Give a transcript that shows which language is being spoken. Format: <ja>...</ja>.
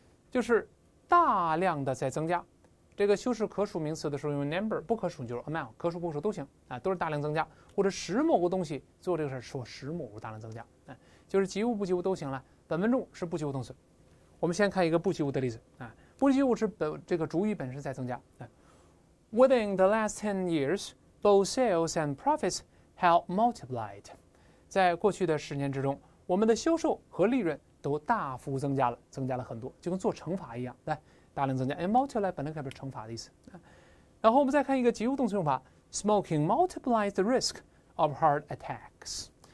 <zh>就是大量的在增加。这个修饰可数名词的时候用 number, 不可数就是 amount, 可数不可数都行、啊、都是大量增加。或者使某个东西做这个事说使某个大量增加、啊。就是及物不及物都行了。本文中是不及物动词。我们先看一个不及物的例子。啊、不及物是本这个主语本身在增加。</zh> <en>啊、Within the last 10 years, both sales and profits have multiplied.</en> <zh>在过去的10年之中我们的销售和利润都大幅增加了增加了很多。就跟做乘法一样。来大量增加 ,multiply 本来代表乘法的意思。然后我们再看一个及物动词用法 ,</zh> <en>smoking multiplies the risk of heart attacks。</en>